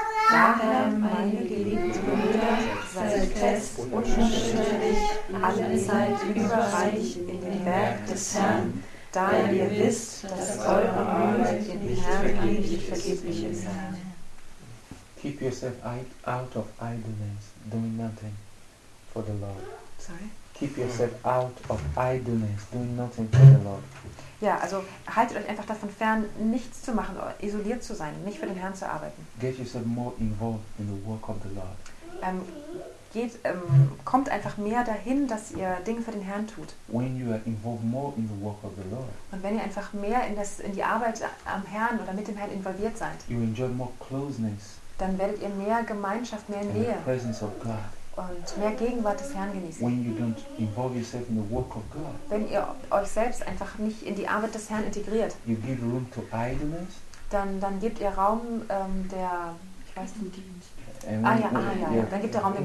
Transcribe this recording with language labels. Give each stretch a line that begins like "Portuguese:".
German: Daher, meine geliebten Brüder, seid fest und unerschütterlich, alle seid überreich in dem Werk des Herrn, da ihr wisst, dass eure Mühe in dem Herrn nicht vergeblich ist.
English: Keep yourself out of idleness, doing nothing for the Lord. Sorry? Keep yourself out of idleness, doing nothing for the Lord.
German: Ja, also haltet euch einfach davon fern, nichts zu machen, isoliert zu sein, nicht für den Herrn zu arbeiten.
English: Get yourself more involved in the work of the Lord.
German: Kommt einfach mehr dahin, dass ihr Dinge für den Herrn tut.
English: When you are involved more in the work of the Lord.
German: Und wenn ihr einfach mehr in die Arbeit am Herrn oder mit dem Herrn involviert seid.
English: You enjoy more closeness.
German: Dann werdet ihr mehr Gemeinschaft, mehr Nähe und mehr Gegenwart des Herrn genießen.
English: When you don't involve yourself in the work of God,
German: wenn ihr euch selbst einfach nicht in die Arbeit des Herrn integriert,
English: you give room to idleness,
German: dann gebt ihr Raum der ich weiß nicht, dann gibt ihr Raum dem